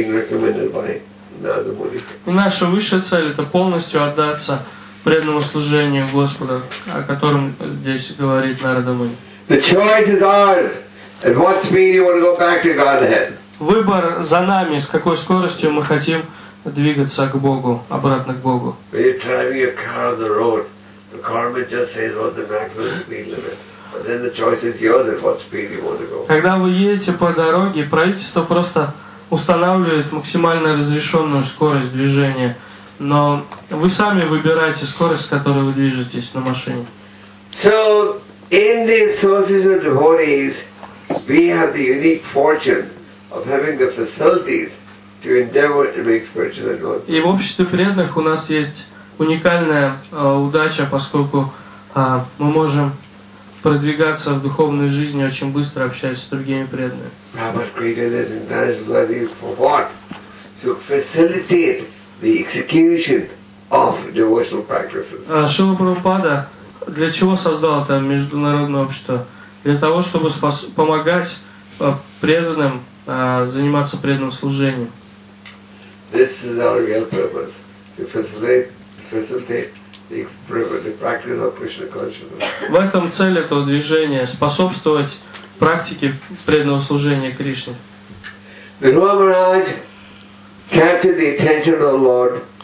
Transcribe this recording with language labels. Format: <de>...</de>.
<ru>И наша высшая цель это полностью отдаться преданному служению Господа, о котором здесь говорит Нарада Муни.</ru> <en>The choice is ours. At what speed you want to go back to Godhead?</en> <ru>Выбор за нами, с какой скоростью мы хотим двигаться к Богу, обратно к Богу. Когда вы едете по дороге, правительство просто устанавливает максимально разрешенную скорость движения, но вы сами выбираете скорость, с которой вы движетесь на машине.</ru> <en>So in the sources of devotees, we have the unique fortune of having the facilities to endeavor to make spiritual advancement.</en> <ru>И в обществе преданных у нас есть уникальная удача, поскольку мы можем продвигаться в духовной жизни очень быстро, общаясь с другими преданными.</ru> <en>Prabhupada created this international idea for what? To facilitate the execution of devotional practices.</en> <ru>Шрила Прабхупада для чего создал это международное общество? Для того, чтобы помогать преданным заниматься преданным служением.</ru> <en>This is our real purpose, to facilitate the practice of Krishna consciousness.</en> <ru>В этом цель этого движения – способствовать практике преданного служения Кришне.</ru> <en>The Druva Maharaj captured the attention of the Lord</en>